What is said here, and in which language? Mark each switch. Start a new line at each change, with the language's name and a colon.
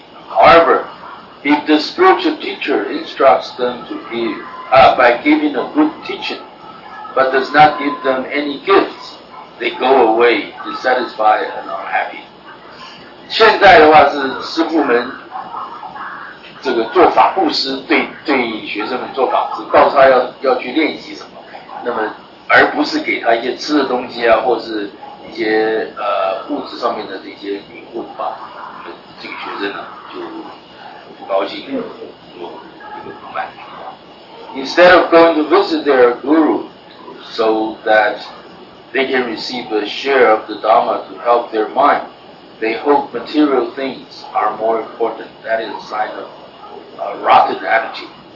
English: However, if the spiritual teacher instructs them to give,by giving a good teaching, but does not give them any gifts, they go away dissatisfied and unhappy.
Chinese: 现在的话是师父们这个做法布施，对学生们做法是告诉他要去练习什么，那么而不是给他一些吃的东西啊，或是一些物质上面的这些礼物的话，这个学生呢就不高兴，就不满足。
English: Instead of going to visit their guru so that they can receive a share of the Dharma to help their mind, they hope material things are more important. That is a sign of a rotten attitude.